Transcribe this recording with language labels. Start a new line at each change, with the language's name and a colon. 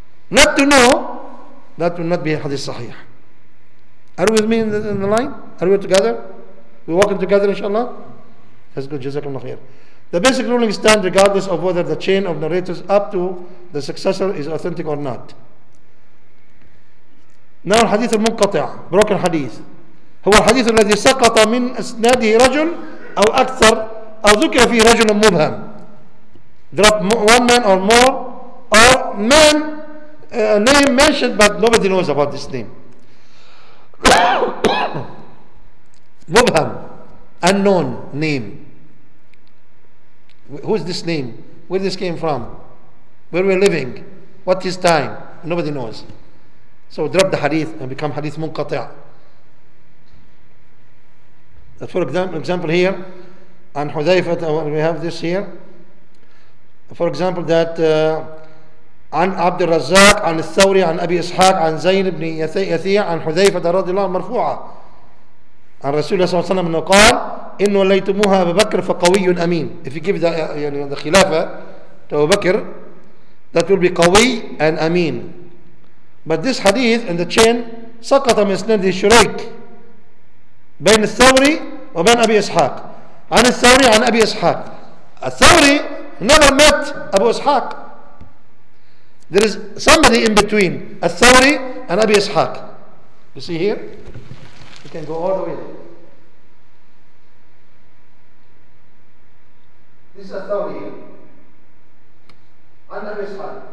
English: Not to know, that will not be a Hadith Sahih. Are we with me in the line? Are we together? We're walking together, inshallah? That's good. Jazakallah khair. The basic ruling stands regardless of whether the chain of narrators up to the successor is authentic or not. Now, hadith al-munqati', broken hadith.
Arabic: هو الحديث الذي سقط من اسناده رجل أو أكثر أو ذكر فيه رجل مبهم.
English: Drop one man or more, or man, a name mentioned, but nobody knows about this name. Mubham, unknown name. Who is this name? Where this came from? Where we're living? What is time? Nobody knows. So drop the hadith and become hadith munqati'. For example here, on Hudhayfah, we have this here. For example, that
Arabic: عن عبد الرزاق عن الثوري عن أبي إسحاق عن زين بن يثيع عن حذيفة رضي الله عنه مرفوعة عن رسول الله صلى الله عليه وسلم قال إن وليتموها أبو بكر فقوي أمين.
English: If you give the خلافة to Abu Bakr, that will be قوي and أمين. But this hadith in the chain
Arabic: سقط من إسناد الشريك بين الثوري وبين أبي إسحاق. عن الثوري عن أبي إسحاق. الثوري
English: never met
Arabic: أبو إسحاق.
English: There is somebody in between Al-Thawri and Abi Ishaq. You see here? You can go all the way. This is Al-Thawri here. And Abi Ishaq.